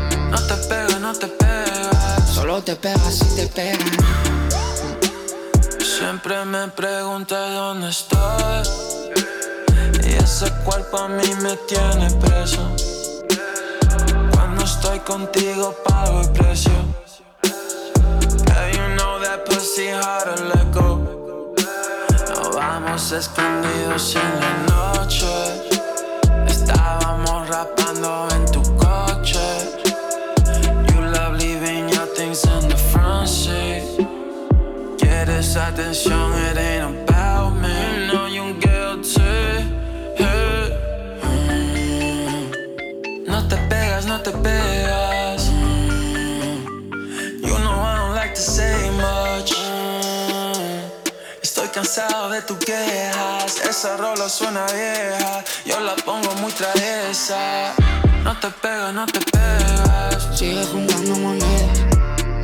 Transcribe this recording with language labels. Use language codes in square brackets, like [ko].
[es] No te pegas, no te pegas. Solo te pegas si te pegan. Siempre me preguntas dónde estoy. Ese cuerpo a mí me tiene preso. Cuando estoy contigo pago el precio. [en] Hey, you know that pussy hard to let go. [es] Nos vamos escondidos en la noche. Estábamos rapando en tu coche. [en] You love leaving your things in the front seat. [es] Quieres atención, [en] it ain't about me. No, you're guilty. [es] No te pegas. [en] You know I don't like to say much. [es] Estoy cansado de tus quejas. Esa rola suena vieja. Yo la pongo muy traviesa. No te pegas, no te pegas. Sigue juntando monedas.